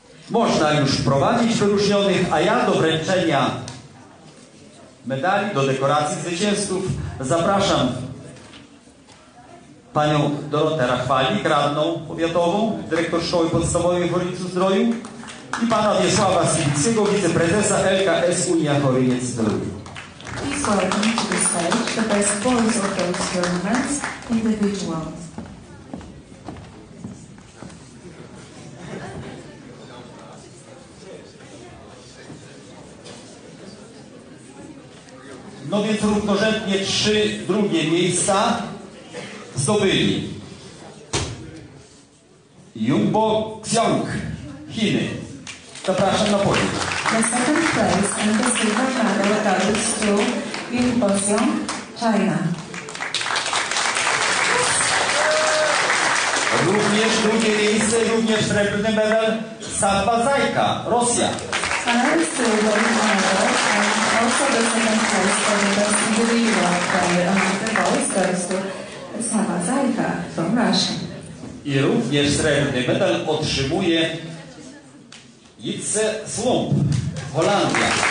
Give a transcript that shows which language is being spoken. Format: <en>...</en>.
<pl>Można już prowadzić wyróżnionych, a ja do wręczenia medali, do dekoracji zwycięzców zapraszam panią Dorotę Rachwalik, radną powiatową, dyrektor Szkoły Podstawowej w Horyniec-Zdroju i pana Wiesława Sibickiego, wiceprezesa LKS Unia Horyniec-Zdroju.</pl> <en>Welcome to the stage, the best boys of those tournaments, individuals.</en> <pl>No więc równorzędnie 3 drugie miejsca zdobyli Jungbo Xiong, Chiny. Zapraszam na podium.</pl> <en>The second place and the silver medal goes to Yungbo Xiong, China.</en> <pl>Również 2 miejsce, również srebrny medal Sapa Zajka, Rosja.</pl> <en>And silver medal and also the second place for the best individual player among the boys goes to Sapa Zajka from Russia.</en> <pl>I również srebrny medal otrzymuje Jitse Słomp, Holandia.</pl>